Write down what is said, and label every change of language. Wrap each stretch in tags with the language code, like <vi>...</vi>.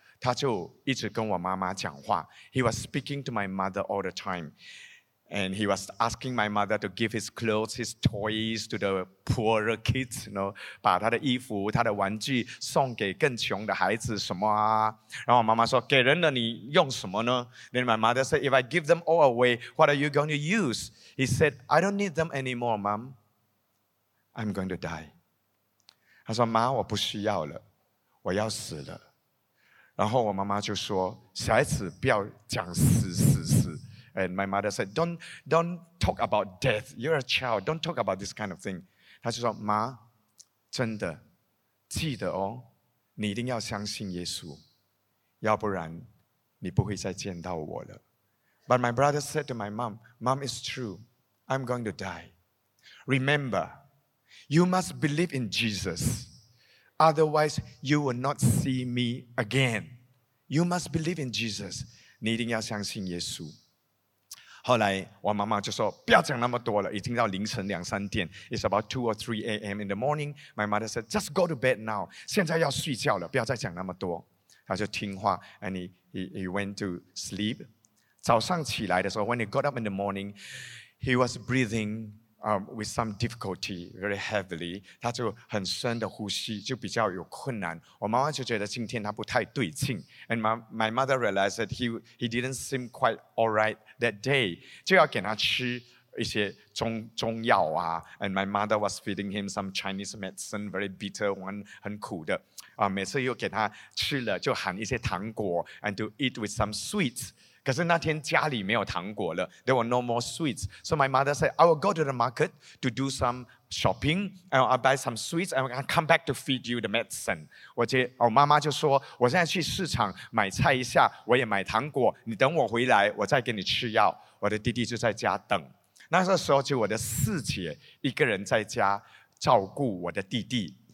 <zh>他就一直跟我妈妈讲话。</zh> <en>He was speaking to my mother all the time. And he was asking my mother to give his clothes, his toys to the poorer kids, you know,</en> <zh>把他的衣服、他的玩具送给更穷的孩子什么啊。</zh> <en>然后我妈妈说，给人了你用什么呢？ Then my mother said, if I give them all away, what are you going to use? He said, I don't need them anymore, mom. I'm going to die.</en> <zh>他说，妈，我不需要了，我要死了。然后我妈妈就说，小孩子不要讲死死死。</zh> <en>And my mother said, don't talk about death. You're a child. Don't talk about this kind of thing.</en> <zh>她就说，妈，真的，记得哦，你一定要相信耶稣，要不然你不会再见到我了。</zh> <en>But my brother said to my mom, Mom, it's true. I'm going to die. Remember, you must believe in Jesus. Otherwise, you will not see me again. You must believe in Jesus.</en> <zh>你一定要相信耶稣。后来我妈妈就说，不要讲那么多了，已经到凌晨两三点。</zh> <en>It's about 2 or 3 a.m. in the morning. My mother said, just go to bed now.</en> <zh>现在要睡觉了，不要再讲那么多。她就听话，</zh> <en>and he went to sleep.</en> <zh>早上起来的时候，</zh> <en>when he got up in the morning, he was breathingwith some difficulty, very heavily.</en> <zh>他就很深的呼吸，就比较有困难。我妈妈就觉得今天他不太对劲。</zh> <en>And my mother realized that he didn't seem quite all right that day.</en> <zh>就要给他吃一些中药啊。</zh> <en>And my mother was feeding him some Chinese medicine, very bitter one,</en> <zh>很苦的。每次又给他吃了，就含一些糖果</zh> <en>and to eat with some sweets.</en> <zh>可是那天家里没有糖果了，</zh> <en>there were no more sweets. So my mother said, I will go to the market to do some shopping, and I'll buy some sweets, and I'll come back to feed you the medicine.</en> <zh>我妈妈就说，我现在去市场买菜一下，我也买糖果，你等我回来，我再给你吃药。我的弟弟就在家等。那时候就我的四姐一个人在家照顾我的弟弟。</zh>